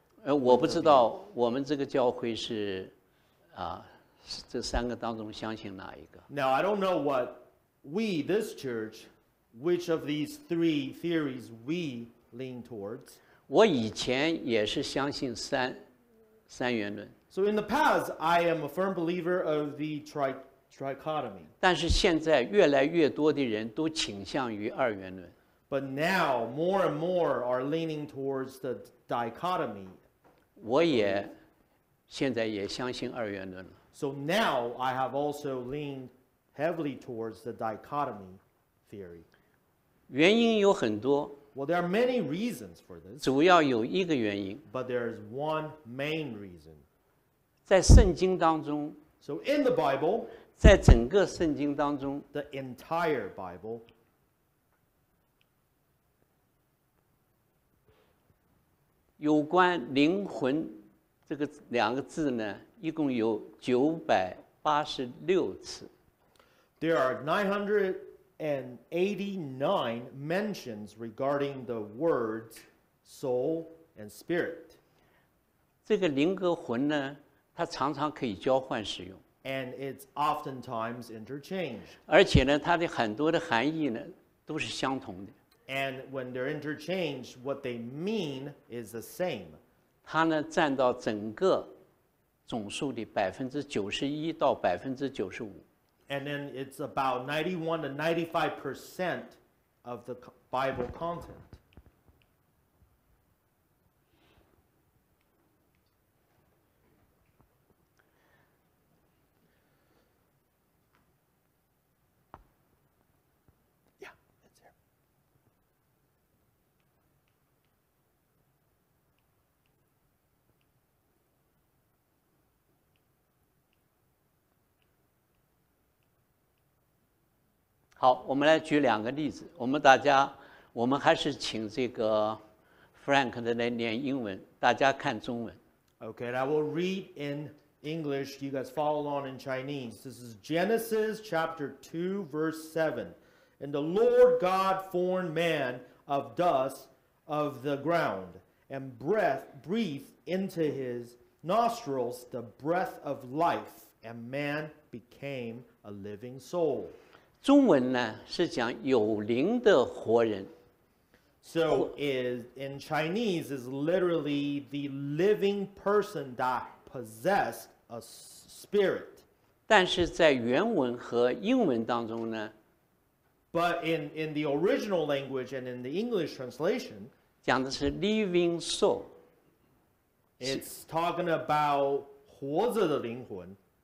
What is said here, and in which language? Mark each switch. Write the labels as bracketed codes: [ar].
[zh] 我不知道我们这个教会是啊，这三个当中相信哪一个。 [en] Now I don't know what we this church, which of these three theories we lean towards. [zh] 我以前也是相信三元论。 [en] So in the past, I am a firm believer of the trichotomy. [zh] 但是现在越来越多的人都倾向于二元论。 [en] But now more and more are leaning towards the dichotomy. [zh] 我也现在也相信二元论了。 [en] So now I have also leaned heavily towards the dichotomy theory. [zh] 原因有很多。 [en] Well, there are many reasons for this. [zh] 主要有一个原因。 [en] But there is one main reason. [zh] 在圣经当中。 [en] So in the Bible. [zh] 在整个圣经当中。 [en] The entire Bible. [zh] 有关灵魂这个两个字呢，一共有986次。 [en] There are 989 mentions regarding the words soul and spirit. [zh] 这个灵和魂呢，它常常可以交换使用。 [en] And it's oftentimes interchanged. [zh] 而且呢，它的很多的含义呢，都是相同的。 [en] And when they're interchanged, what they mean is the same. [zh] 它呢占到整个总数的91%-95%。 [en] And then it's about 91%-95% of the Bible content. [zh] 好，我们来举两个例子。我们大家，我们还是请这个 Frank 的来念英文，大家看中文。 [en] Okay, I will read in English. You guys follow along in Chinese. This is Genesis chapter 2, verse 7. And the Lord God formed man of dust of the ground and breathed into his nostrils the breath of life, and man became a living soul. [zh] 中文呢是讲有灵的活人。 [en] So is in Chinese is literally the living person that possessed a spirit. [zh] 但是在原文和英文当中呢 [en] ，But in the original language and in the English translation, [zh] 讲的是 [en] living soul. It's talking about [zh] 活着的灵魂，